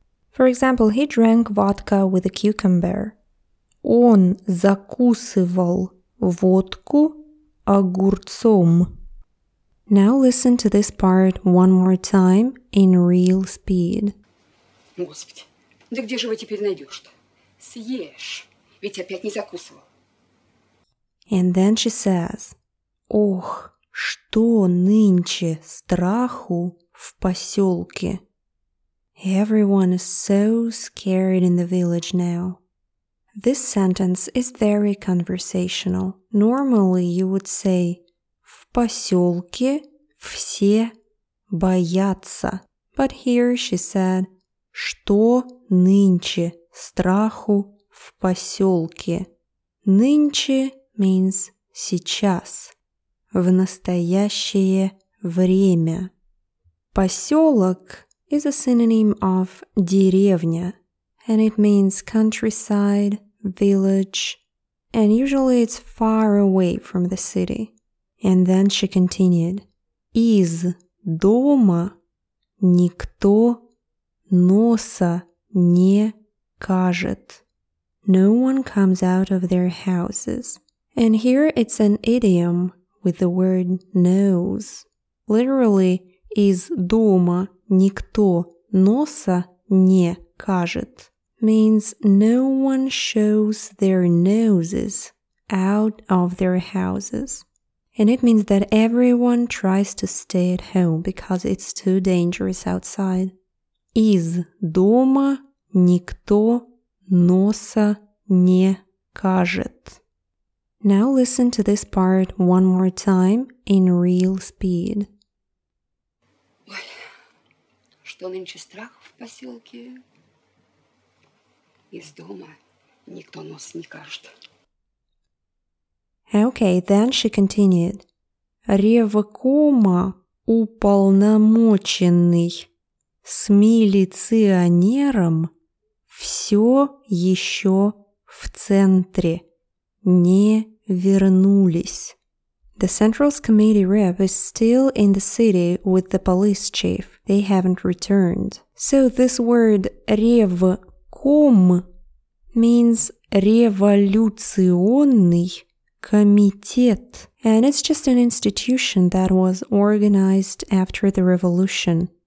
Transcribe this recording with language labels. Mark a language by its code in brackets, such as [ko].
[en] For example, he drank vodka with a cucumber. [ru] Он закусывал водку огурцом. [en] Now listen to this part one more time in real speed. [ru] Господи, да где же вы теперь найдешь-то? Съешь, ведь опять не закусывал. [en] And then she says, [ru] ох, что нынче страху в поселке. [en] Everyone is so scared in the village now. This sentence is very conversational. Normally you would say, [ru] в поселке все боятся. [en] But here she said, [ru] что нынче страху в поселке. Нынче [en] means [ru] сейчас, в настоящее время. [en] Поселок is a synonym of деревня. And it means countryside, village, and usually it's far away from the city. And then she continued, [ru] из дома никто носа не кажет. [en] No one comes out of their houses. And here it's an idiom with the word nose. Literally, [ru] из дома никто носа не кажет, [en] means no one shows their noses out of their houses. And it means that everyone tries to stay at home because it's too dangerous outside. [ru] Из дома никто носа не кажет. [en] Now listen to this part one more time in real speed. [ru] Ой, что нынче страх в поселке? Из дома никто нос не кажет. [en] Okay, then she continued. [ru] Ревкома уполномоченный с милиционером все еще в центре не вернулись. [en] The Central's committee rep is still in the city with the police chief. They haven't returned. So this word ревком means [ru] революционный комитет, [en] and it's just an institution that was organized after the revolution.